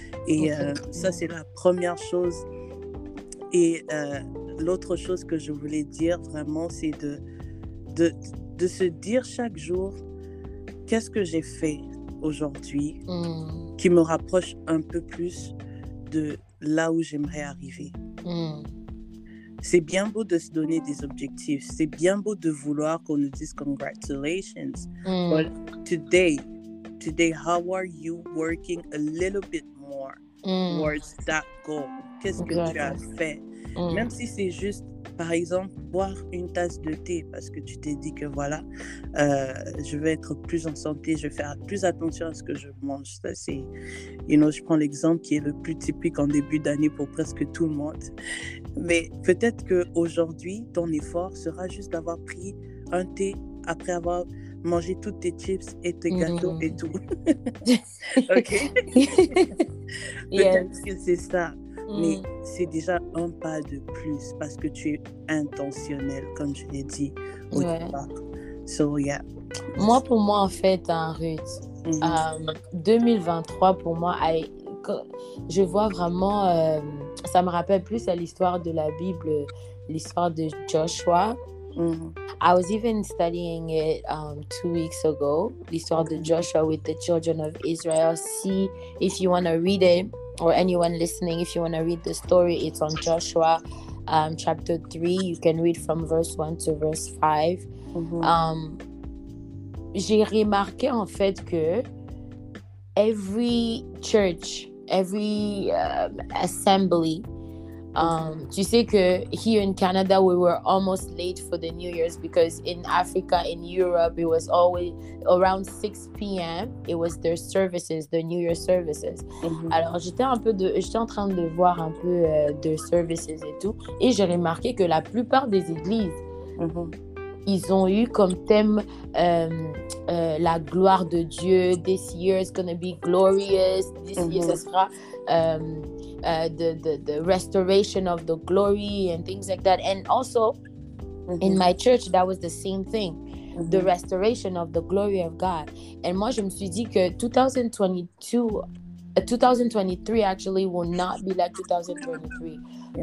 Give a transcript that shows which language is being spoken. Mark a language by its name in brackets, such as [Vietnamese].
[French] Et ça, c'est la première chose. Et l'autre chose que je voulais dire vraiment, c'est de se dire chaque jour, qu'est-ce que j'ai fait aujourd'hui qui me rapproche un peu plus de là où j'aimerais arriver. C'est bien beau de se donner des objectifs, c'est bien beau de vouloir qu'on nous dise congratulations. [English] But today, how are you working a little bit more towards that goal? [French] Qu'est-ce que tu as fait? Même si c'est juste, par exemple, boire une tasse de thé parce que tu t'es dit que voilà, je vais être plus en santé, je vais faire plus attention à ce que je mange. Ça, c'est, [English] you know, [French] je prends l'exemple qui est le plus typique en début d'année pour presque tout le monde. Mais peut-être qu'aujourd'hui, ton effort sera juste d'avoir pris un thé après avoir mangé toutes tes chips et tes gâteaux et tout. OK? Peut-être que c'est ça. Mais c'est déjà un pas de plus parce que tu es intentionnel, comme je l'ai dit au départ. [English] So, yeah. [French] Moi, pour moi, en fait, hein, Ruth, 2023, pour moi, je vois vraiment... ça me rappelle plus à l'histoire de la Bible, l'histoire de Joshua. [English] I was even studying it 2 weeks ago, [French] l'histoire de Joshua [English] with the children of Israel. See, if you want to read it, or anyone listening, if you want to read the story, it's on Joshua chapter 3. You can read from verse 1 to verse 5. [French] J'ai remarqué en fait que [English] every church, every assembly, [French] tu sais que [English] here in Canada, we were almost late for the New Year's because in Africa, in Europe, it was always around 6 p.m. It was their services, the New Year's services. [French] Alors, j'étais en train de voir un peu [English] their services [French] et tout. Et j'ai remarqué que la plupart des églises, ils ont eu comme thème la gloire de Dieu. [English] This year is going to be glorious. This year, [French] ça sera... [English] the restoration of the glory and things like that. And also in my church, that was the same thing, the restoration of the glory of God. And [French] moi, je me suis dit que [English] 2023 actually will not be like 2023. Yeah.